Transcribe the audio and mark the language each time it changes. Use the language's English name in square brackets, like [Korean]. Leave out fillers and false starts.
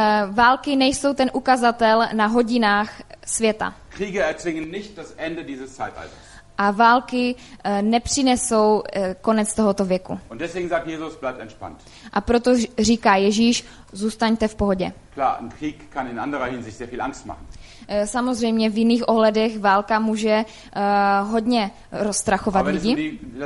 [Czech] Války nejsou ten ukazatel na hodinách světa. [German] Kriege erzwingen nicht das Ende dieses Zeitalters. [Czech] A války nepřinesou konec tohoto věku. [German] Und deswegen sagt Jesus, bleibt entspannt. [Czech] A proto říká Ježíš, zůstaňte v pohodě. [German] Klar, ein Krieg kann in anderer Hinsicht sehr viel Angst machen. [Czech] Samozřejmě v jiných ohledech válka může hodně rozstrachovat lidi.